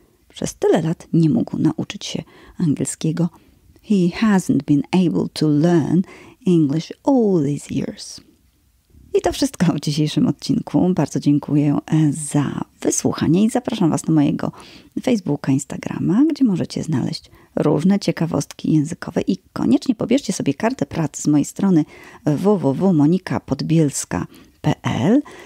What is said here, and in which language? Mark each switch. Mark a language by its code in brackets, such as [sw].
[pl] Przez tyle lat nie mógł nauczyć się angielskiego. [en] He hasn't been able to learn English all these years. [pl] I to wszystko w dzisiejszym odcinku. Bardzo dziękuję za wysłuchanie i zapraszam Was na mojego Facebooka, Instagrama, gdzie możecie znaleźć różne ciekawostki językowe i koniecznie pobierzcie sobie kartę pracy z mojej strony www.monikapodbielska.pl.